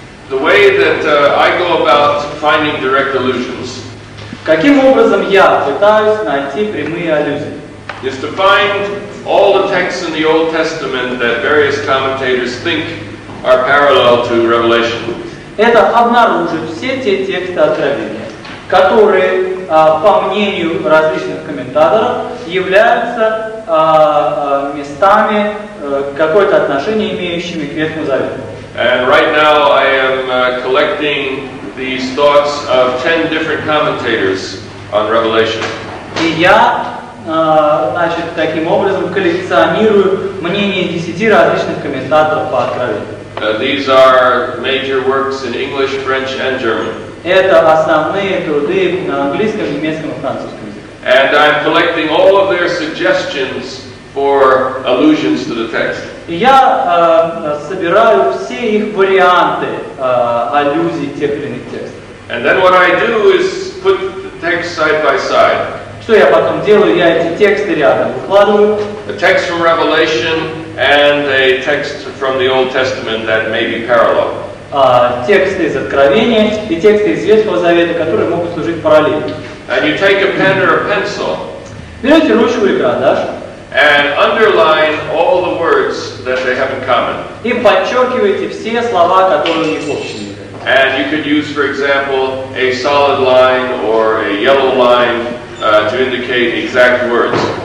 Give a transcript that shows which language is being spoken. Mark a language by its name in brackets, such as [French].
[English] The way that I go about finding direct allusions. [Russian] Каким образом я пытаюсь найти прямые аллюзии? [English] Is to find all the texts in the Old Testament that various commentators think are parallel to Revelation. [Russian] Это обнаружить все те тексты Откровения, которые, по мнению различных комментаторов, являются местами какое-то отношение имеющими к Ветхому Завету. [English] And right now I am collecting these thoughts of 10 different commentators on Revelation. [Russian] И я, значит, таким образом коллекционирую мнения 10 различных комментаторов по Откровению. [English] These are major works in English, French, and German. [Russian] Это основные труды на английском, немецком и французском языке. [English] And I'm collecting all of their suggestions for allusions to the text. [Russian] Я собираю все их варианты аллюзий тех или иных текстов. [English] And then what I do is put the text side by side. [Russian] Что я потом делаю? Я эти тексты рядом выкладываю. [English] A text from Revelation and a text from the Old Testament that may be parallel. [Russian] Тексты из Откровения и тексты из Ветхого Завета, которые могут служить параллельно. [English] And you take a pen or a pencil. [Russian] Берете ручку и карандаш. [English] And underline all the words that they have in common. [Russian] И подчеркивайте все слова, которые у них общие. [English] And you could use, for example, a solid line or a yellow line to indicate exact words.